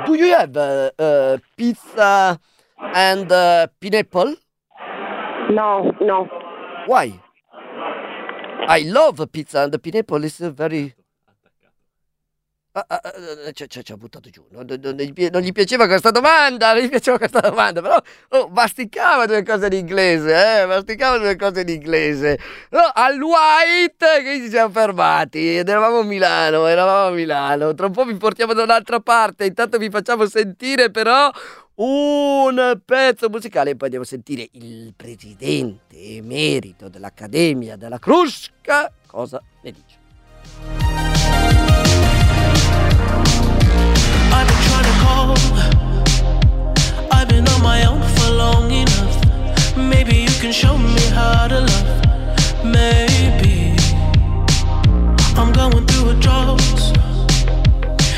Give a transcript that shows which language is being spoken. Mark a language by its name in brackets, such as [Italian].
[English] Do you have pizza and pineapple? No. Why? I love pizza and pineapple, it's very... [Italian] Ci ha buttato giù, non gli piaceva questa domanda, però masticava due cose in inglese, No, al White, che ci siamo fermati, eravamo a Milano, tra un po' vi portiamo da un'altra parte, intanto vi facciamo sentire però un pezzo musicale, poi andiamo a sentire il presidente emerito dell'Accademia della Crusca cosa ne dice. [English] I've been trying to call, I've been on my own for long enough. Maybe you can show me how to love. Maybe I'm going through a drought.